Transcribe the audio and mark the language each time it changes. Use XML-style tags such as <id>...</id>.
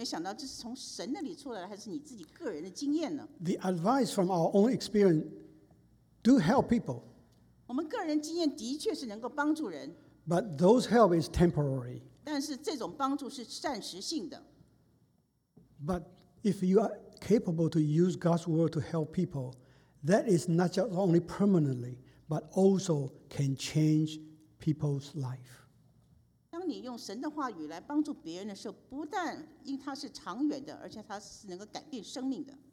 <zh>那您有没有在给人家建议的时候，有没有想到这是从神那里出来的，还是你自己个人的经验呢？</zh> <en>The advice from our own experience do help people.</en> <zh>我们个人经验的确是能够帮助人。</zh> <en>But those help is temporary.</en> <zh>但是这种帮助是暂时性的。</zh> <en>But if you are capable to use God's word to help people, that is not just only permanently, but also can change people's life.</en> <zh>当你用神的话语来帮助别人的时候， 不但因它是长远的， 而且它是能够改变生命的。</zh>